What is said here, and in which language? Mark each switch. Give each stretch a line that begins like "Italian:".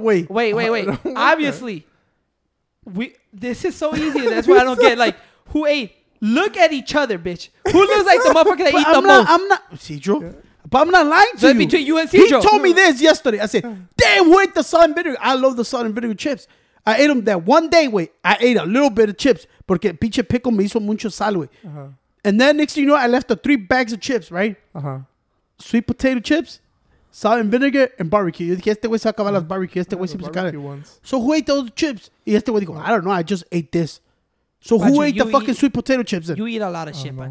English: Wait. Obviously, this is so easy. That's why I don't get like who ate. Look at each other, bitch. Who looks like the motherfucker that eat the most? But I'm not lying to you. Between you and Cedro. He told me this yesterday. I said, damn, who ate the salt and vinegar? I love the salt and vinegar chips. I ate them that one day, wait. I ate a little bit of chips.
Spanish: Porque pinche pickle me hizo mucho sal, wey.
English: And then next thing you know, I left the three bags of chips, right? Sweet potato chips, salt and vinegar, and barbecue.
Spanish: Yo dije, este güey se va a acabar las barbecue. Este güey se va a acabar.
English: So who ate those chips?
Spanish: Y este güey dijo,
English: I don't know. I just ate this. So Pancho, who ate the fucking sweet potato chips then? You eat a lot of shit, man.